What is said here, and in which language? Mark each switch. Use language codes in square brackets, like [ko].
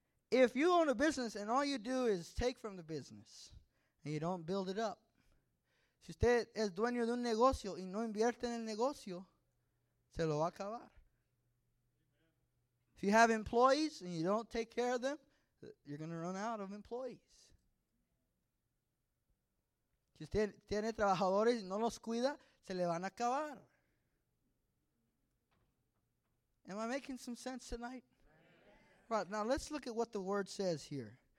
[en] If you own a business and all you do is take from the business and you don't build it up, [es] si usted es dueño de un negocio y no invierte en el negocio, se lo va a acabar. [en] If you have employees and you don't take care of them, you're going to run out of employees. [es] Si usted tiene trabajadores y no los cuida, se le van a acabar. [en] Am I making some sense tonight? Right, now let's look at what the word says here.